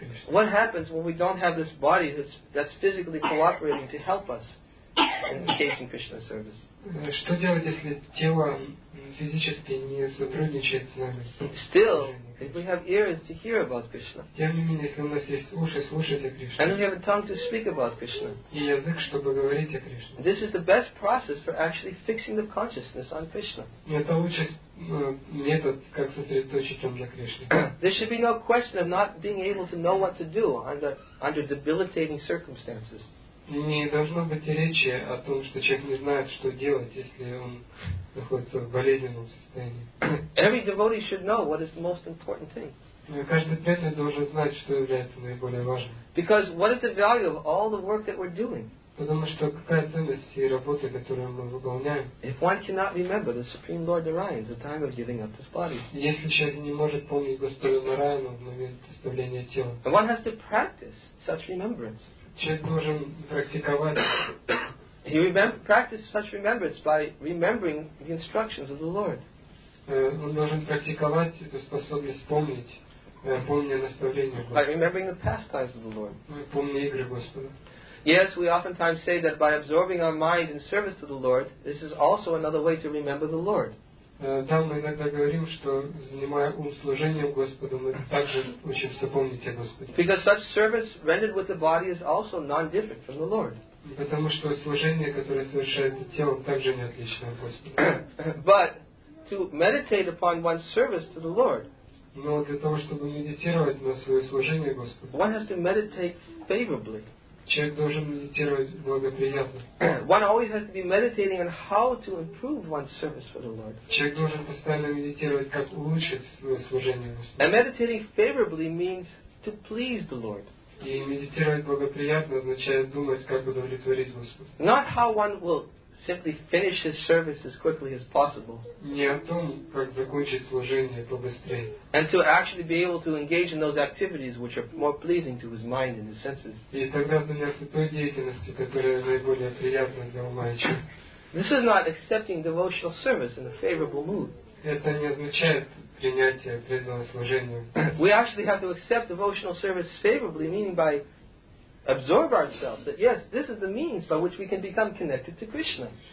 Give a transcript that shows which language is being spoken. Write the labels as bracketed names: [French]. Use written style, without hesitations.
[English] What happens when we don't have this body that's physically cooperating to help us in engaging Krishna's service? [Russian] Что делать, если тело физически не сотрудничает с нами? [English] Still, if we have ears to hear about Krishna, [Russian] тем не менее, если у нас есть уши слушать о Кришне, [English] and we have a tongue to speak about Krishna, [Russian] и язык, чтобы говорить о Кришне, [English] this is the best process for actually fixing the consciousness on Krishna. [Russian] Это лучший метод, как сосредоточить ум для Кришны. [English] There should be no question of not being able to know what to do under debilitating circumstances. [Russian] Не должно быть и речи о том, что человек не знает, что делать, если он находится в болезненном состоянии. [English] Every devotee should know what is the most important thing. [Russian] Каждый преданный должен знать, что является наиболее важным. [English] Because what is the value of all the work that we're doing? [Russian] Потому что какая ценность и работы, которую мы выполняем? [English] If one cannot remember the Supreme Lord Narayana, the time of giving up his body. [Russian] Если человек не может помнить Господа Нараяну в момент оставления тела. [English] And one has to practice such remembrance. [Russian] Человек должен практиковать. [English] He practice such remembrance by remembering the instructions of the Lord. [Russian] Он должен практиковать эту способность помнить наставления Господа. [English] By remembering the pastimes of the Lord. [Russian] Помнить игры Господа. [English] Yes, we oftentimes say that by absorbing our mind in service to the Lord, this is also another way to remember the Lord. [Russian] Да, мы иногда говорим, что занимая ум служением Господу, мы также учимся помнить о Господе. [English] Because such service rendered with the body is also non-different from the Lord. [Russian] Потому что служение, которое совершается телом, также не отлично от Господа. [English] But to meditate upon one's service to the Lord. [Russian] Но для того, чтобы медитировать на свое служение Господу. [English] One has to meditate favorably. [Russian] Человек должен медитировать благоприятно. [English] One always has to be meditating on how to improve one's service for the Lord. [Russian] Человек должен постоянно медитировать, как улучшить свое служение Господу. [English] And meditating favorably means to please the Lord. [Russian] И медитировать благоприятно означает думать, как удовлетворить Господа. [English] Not how one will simply finish his service as quickly as possible. [Russian] Не о том, как закончить служение побыстрее. [English] And to actually be able to engage in those activities which are more pleasing to his mind and his senses. [Russian] И тогда заняться той деятельностью, которая наиболее приятна для ума и чувств. [English] This is not accepting devotional service in a favorable mood. [Russian] Это не означает принятие преданного служения. [English] We actually have to accept devotional service favorably, meaning by absorb ourselves, that yes, this is the means by which we can become connected to Krishna.